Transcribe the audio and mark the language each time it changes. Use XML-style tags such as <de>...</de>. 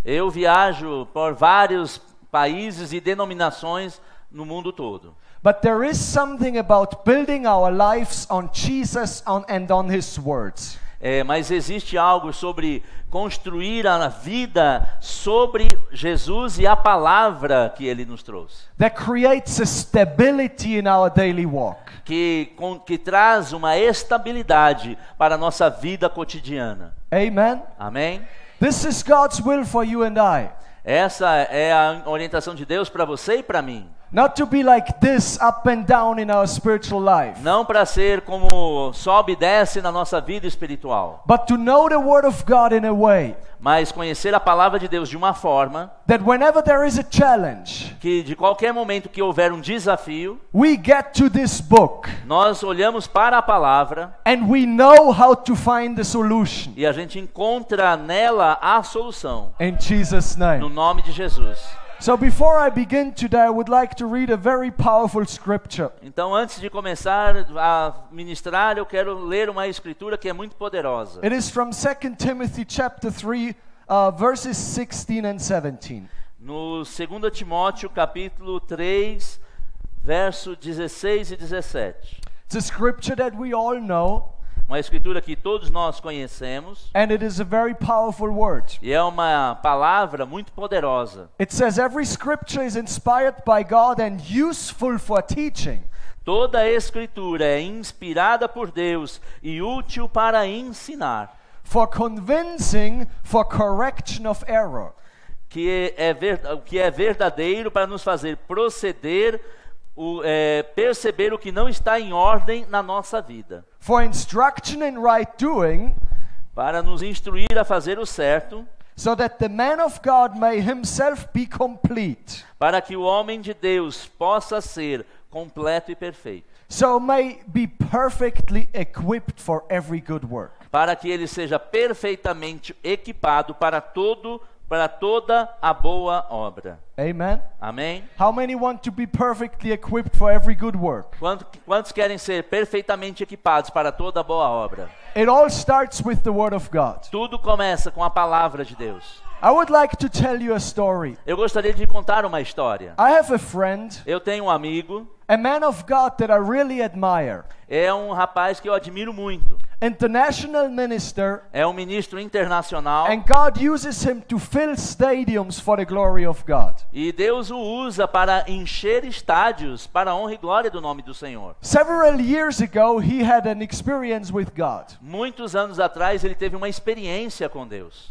<pt>Eu viajo por vários países e denominações no mundo todo.</pt> <en>But there is something about building our lives on Jesus and on His words.</en> <pt>Mas existe algo sobre construir a vida sobre Jesus e a palavra que Ele nos trouxe.</pt> <en>That creates a stability in our daily walk.</en> <pt>Que traz uma estabilidade para a nossa vida cotidiana.</pt> <en>Amen.</en> <pt>Amém.</pt> <en>This is God's will for you and I.</en> <pt>Essa é a orientação de Deus para você e para mim.</pt> <en>Not to be like this up and down in our spiritual life.</en> <pt>Não para ser como sobe e desce na nossa vida espiritual.</pt> <en>But to know the word of God in a way.</en> <pt>mas conhecer a palavra de Deus de uma forma</pt> <en>that whenever there is a challenge,</en> <pt>que de qualquer momento que houver um desafio,</pt> <en>we get to this book,</en> <pt>nós olhamos para a palavra</pt> <en>and we know how to find the solution,</en> <pt>e a gente encontra nela a solução.</pt> <en>In Jesus name.</en> <pt>No nome de Jesus.</pt> <en>So before I begin today, I would like to read a very powerful scripture.</en> <pt>Então, antes de começar a ministrar, eu quero ler uma escritura que é muito poderosa.</pt> <en>It is from 2 Timothy chapter 3, verses 16 and 17.</en> <pt>No 2 Timóteo capítulo 3, verso 16 e 17.</pt> <en>It's a scripture that we all know.</en> <pt>Uma escritura que todos nós conhecemos.</pt> <en>And it is a very powerful word.</en> <pt>E é uma palavra muito poderosa.</pt> <en>It says every scripture is inspired by God and useful for teaching.</en> <pt>Toda escritura é inspirada por Deus e útil para ensinar.</pt> <en>For convincing, for correction of error.</en> <pt>Que é verdadeiro para nos fazer proceder perceber o que não está em ordem na nossa vida.</pt> <en>For instruction in right doing,</en> <pt>para nos instruir a fazer o certo,</pt> <en>so that the man of God may himself be complete,</en> <pt>para que o homem de Deus possa ser completo e perfeito.</pt> <en>So may be perfectly equipped for every good work.</en> <pt>Para que ele seja perfeitamente equipado para todo para toda a boa obra.</pt> <en>Amen.</en> <pt>Amém.</pt> <en>How many want to be perfectly equipped for every good work?</en> <pt>Quantos querem ser perfeitamente equipados para toda a boa obra?</pt> <en>It all starts with the word of God.</en> <pt>Tudo começa com a palavra de Deus.</pt> <en>I would like to tell you a story.</en> <pt>Eu gostaria de contar uma história.</pt> <en>I have a friend.</en> <pt>Eu tenho um amigo.</pt> <en>A man of God that I really admire.</en> <pt>É um rapaz que eu admiro muito.</pt> <en>International minister.</en> <pt>É um ministro internacional.</pt> <en>And God uses him to fill stadiums for the glory of God.</en> <pt>E Deus o usa para encher estádios para a honra e glória do nome do Senhor.</pt> <en>Several years ago, he had an experience with God.</en> <pt>Muitos anos atrás, ele teve uma experiência com Deus.</pt>